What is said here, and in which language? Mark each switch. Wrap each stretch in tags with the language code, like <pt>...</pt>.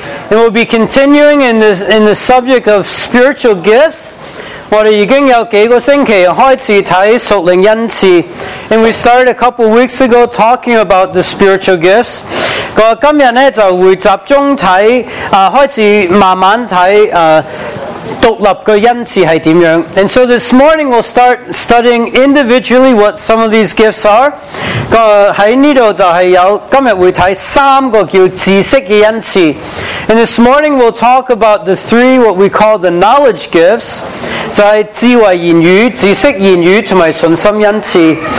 <en>And we'll be continuing in the subject of spiritual gifts.</en> <zh>我们已经有几个星期开始看属灵恩赐。</zh> <en>And we started a couple weeks ago talking about the spiritual gifts.</en> <zh>我今天呢就会集中看、开始慢慢看、独立的恩赐是怎样。</zh> <en>And so this morning we'll start studying individually what some of these gifts are.</en> <zh>在这里就是有今天会看三个叫知识的恩赐。</zh> <en>And this morning we'll talk about the three what we call the knowledge gifts.</en> <zh>就是智慧言语、知识言语和信心恩赐。</zh>